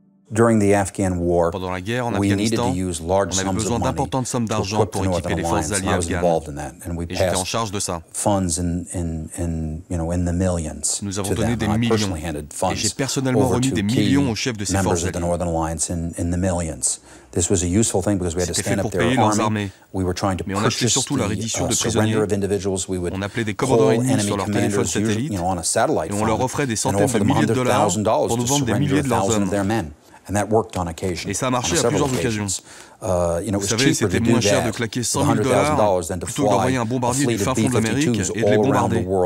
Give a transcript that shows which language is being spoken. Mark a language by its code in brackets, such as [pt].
[en] During the Afghan war, [fr] pendant la guerre en Afghanistan, on avait besoin d'importantes sommes d'argent pour équiper les forces alliées afghanes. Et j'étais en charge de ça. Nous avons donné des millions. Et j'ai personnellement remis des millions aux chefs de ces forces alliées. [en] This was a useful thing because we had to stand up their army. We were trying to purchase the surrender of individuals. We would call enemy commanders usually, on a satellite phone, and offer them $100,000 to surrender 1,000 of their men. And that worked on occasion. [fr] Et ça a marché à plusieurs occasions. Vous savez, c'était moins cher de claquer 100,000 dollars plutôt que d'envoyer un bombardier du fin fond de l'Amérique et de les bombarder.